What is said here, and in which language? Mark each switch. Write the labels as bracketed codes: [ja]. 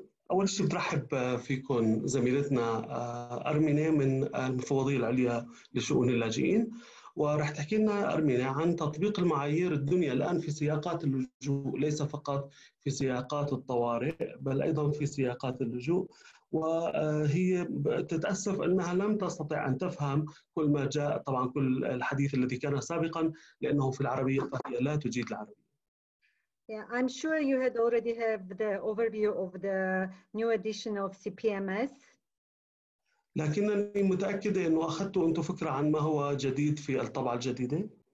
[ar] أول شيء برحب فيكم زميلتنا أرمينة من المفوضية العليا لشؤون اللاجئين, ورح تحكي لنا أرمينة عن تطبيق المعايير الدنيا الآن في سياقات اللجوء, ليس فقط في سياقات الطوارئ بل أيضا في سياقات اللجوء, وهي تتأسف أنها لم تستطع أن تفهم كل ما جاء, طبعا كل الحديث الذي كان سابقا لأنه في العربية فهي لا تجيد العربية. [en] Yeah, I'm sure you had already have the overview of the new edition of CPMS. [ar] لكنني متأكدة إنه أخذت أنت فكرة عن ما هو جديد في الطبعة الجديدة.